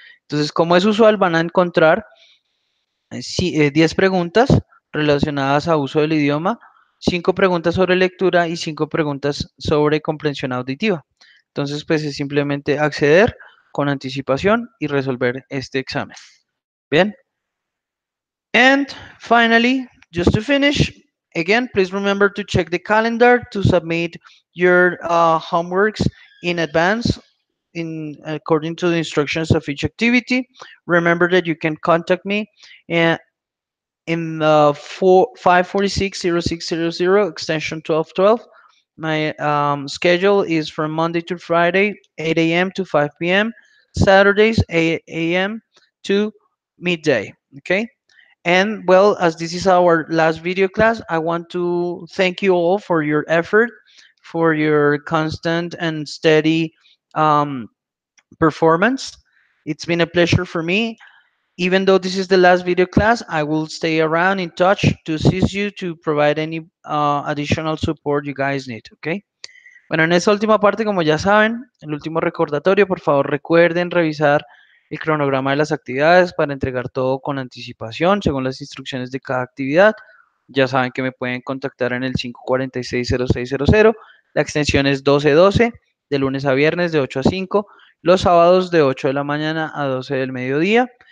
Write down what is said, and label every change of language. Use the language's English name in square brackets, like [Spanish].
[Spanish] Entonces, como es usual, van a encontrar 10 preguntas relacionadas a uso del idioma, 5 preguntas sobre lectura y 5 preguntas sobre comprensión auditiva. Entonces, pues es simplemente acceder con anticipación y resolver este examen. Bien. [English] And finally, just to finish, again, please remember to check the calendar to submit your homeworks in advance, according to the instructions of each activity. Remember that you can contact me in the 546-0600 extension 1212. My schedule is from Monday to Friday, 8 a.m. to 5 p.m. Saturdays, 8 a.m. to midday, okay? And, well, as this is our last video class, I want to thank you all for your effort, for your constant and steady performance. It's been a pleasure for me. Even though this is the last video class, I will stay around in touch to assist you to provide any additional support you guys need, okay? [Spanish] Bueno, en esa última parte, como ya saben, el último recordatorio, por favor, recuerden revisar el cronograma de las actividades para entregar todo con anticipación, según las instrucciones de cada actividad. Ya saben que me pueden contactar en el 546-0600. La extensión es 1212, de lunes a viernes de 8 a 5, los sábados de 8 de la mañana a 12 del mediodía.